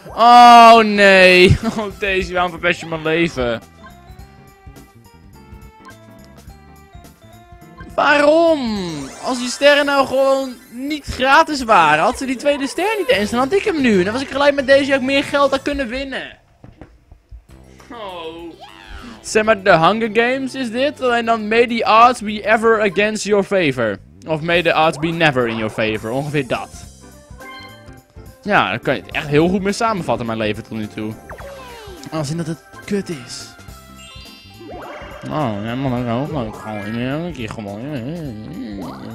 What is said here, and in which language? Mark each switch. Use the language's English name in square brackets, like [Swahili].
[Dutch] Oh, Daisy, waarom verpest je mijn leven? Waarom? Als die sterren nou gewoon niet gratis waren, had ze die tweede ster niet eens, dan had ik hem nu. En dan was ik gelijk met Daisy ook meer geld aan kunnen winnen. Oh. Zeg maar, The Hunger Games is dit? Alleen dan, [English] may the odds be ever against your favor. Of may the odds be never in your favor. [Dutch] Ongeveer dat. Ja, daar kan je het echt heel goed mee samenvatten, mijn leven tot nu toe. Als in dat het kut is. Oh, ja, man, dat ook leuk. Gewoon in een keer gewoon.